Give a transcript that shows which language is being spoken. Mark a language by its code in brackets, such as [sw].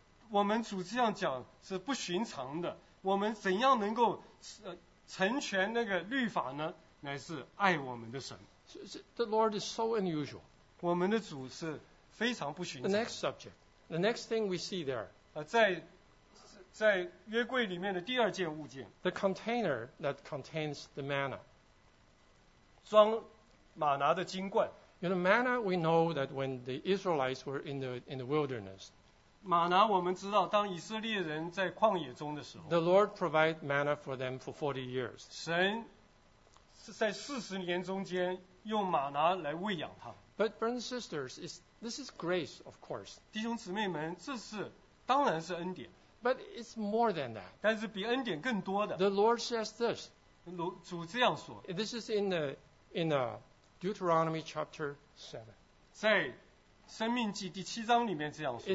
[zh] 我们主这样讲是不寻常的。我们怎样能够成全那个律法呢？乃是爱我们的神。 [en] The Lord is so unusual. [zh] 我们的主是非常不寻常。 [en] The next subject, the next thing we see there. [zh] 在约柜里面的第二件物件。 [en] The container that contains the manna. [zh] 装玛拿的金冠。 [en] You know, manna, we know that when the Israelites were in the wilderness. [zh] 玛拿我们知道，当以色列人在旷野中的时候。 [en] The Lord provided manna for them for 40 years. [zh] 神在四十年中间用玛拿来喂养他。 [en] But brothers and sisters, this is grace, of course. [zh] 弟兄姊妹们，这是当然是恩典。 [en] But it's more than that. [zh] 但是比恩典更多的。 [en] The Lord says this. [zh] 主这样说。 [en] This is in the Deuteronomy chapter 7. [zh] 在生命记第七章里面这样说。